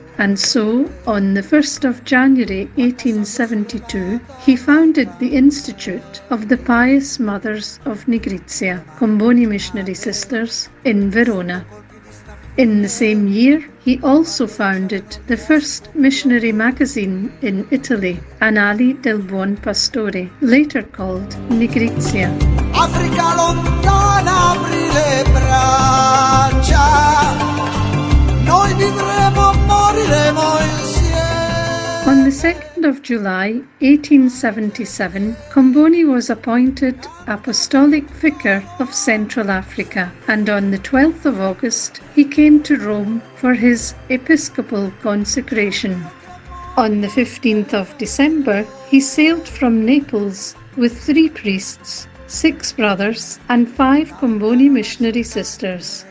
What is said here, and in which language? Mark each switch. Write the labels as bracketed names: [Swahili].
[English] And so, on the 1st of January 1872, he founded the Institute of the Pious Mothers of Nigrizia, Comboni Missionary Sisters, in Verona. In the same year, he also founded the first missionary magazine in Italy, Annali del Buon Pastore, later called Nigrizia. [Italian] Africa lontana apri le braccia, noi vivremo, moriremo insieme. [English] On the 2nd of July 1877, Comboni was appointed Apostolic Vicar of Central Africa, and on the 12th of August he came to Rome for his episcopal consecration. On the 15th of December, he sailed from Naples with three priests, six brothers, and five Comboni missionary sisters.